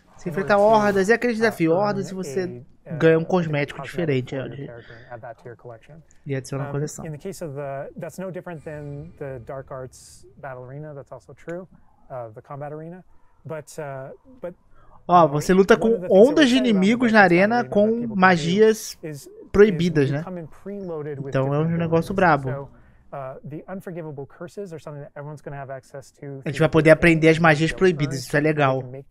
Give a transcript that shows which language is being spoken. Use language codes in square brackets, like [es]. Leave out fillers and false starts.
[pt] Se enfrentar hordas, é aquele desafio, hordas, se você ganha um cosmético diferente e adiciona a coleção. [en] In the case of the, that's no different than the Dark Arts Battle Arena, that's also true. The combat arena, but [pt] ó, você luta com ondas de inimigos na arena com magias proibidas, né? Então é um negócio brabo. A gente vai poder aprender as magias proibidas, isso é legal.